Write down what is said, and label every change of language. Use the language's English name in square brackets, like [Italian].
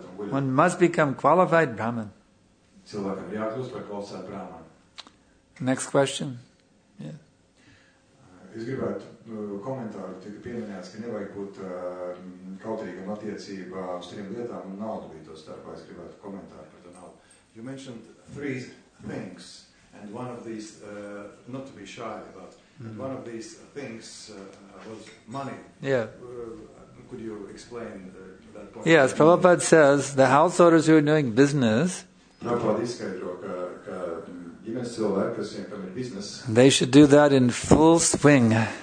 [English] One must become qualified Brahman. [Latvian] Cilvēkam jākļūst par kvalificētu Brahman. [English] Next question. [Latvian] Es gribētu komentāru, tika pieminēts, ka nevajag būt kautrīgam attiecībā uz trim lietām un naudu bija to starpā. Es gribētu komentāru par to naudu. [English] You mentioned three things, and one of these, not to be shy about, mm-hmm. one of these things was money. Yeah. Could you explain that point? Yes, Prabhupada says the householders who are doing business, they should do that in full swing.